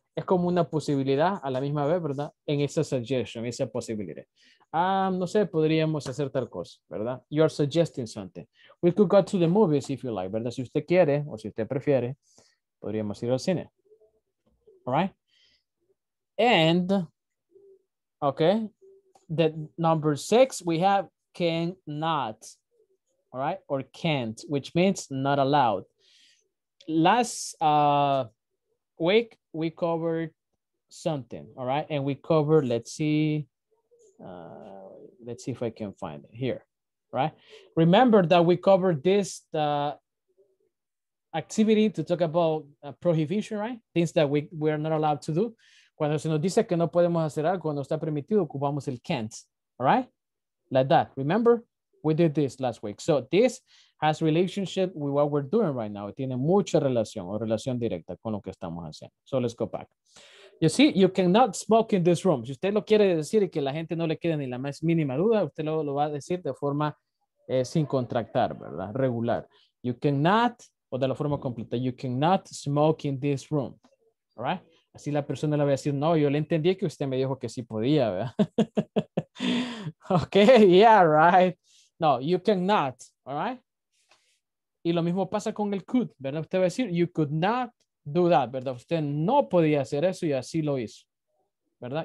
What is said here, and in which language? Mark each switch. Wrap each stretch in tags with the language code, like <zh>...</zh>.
<es>Es como una posibilidad a la misma vez, ¿verdad? En esa suggestion, esa posibilidad. Ah, no sé, podríamos hacer tal cosa, ¿verdad?</es> <en>You're suggesting something. We could go to the movies if you like,</en> <es>¿verdad? Si usted quiere o si usted prefiere, podríamos ir al cine.</es> <en>All right? And, okay, the number 6, we have cannot, all right, or can't, which means not allowed. Last week, we covered something, all right, and we covered, let's see if I can find it here, right? Remember that we covered this activity to talk about prohibition, right? Things that we are not allowed to do.</en> <es>Cuando se nos dice que no podemos hacer algo, cuando está permitido, ocupamos el can't.</es> <en>All right? Like that. Remember, we did this last week. So this has relationship with what we're doing right now.</en> <es>Tiene mucha relación o relación directa con lo que estamos haciendo.</es> <en>So let's go back. You see, you cannot smoke in this room.</en> <es>Si usted lo quiere decir y que la gente no le quede ni la más mínima duda, usted lo va a decir de forma sin contractar, ¿verdad? Regular.</es> <en>You cannot,</en> <es>o de la forma completa,</es> <en>you cannot smoke in this room. All right?</en> <es>Así la persona le va a decir, no, yo le entendí que usted me dijo que sí podía, ¿verdad?</es> <en>Okay, yeah, right. No, you cannot, all right?</en> <es>Y lo mismo pasa con el could, ¿verdad? Usted va a decir,</es> <en>you could not do that,</en> <es>¿verdad? Usted no podía hacer eso y así lo hizo, ¿verdad?</es>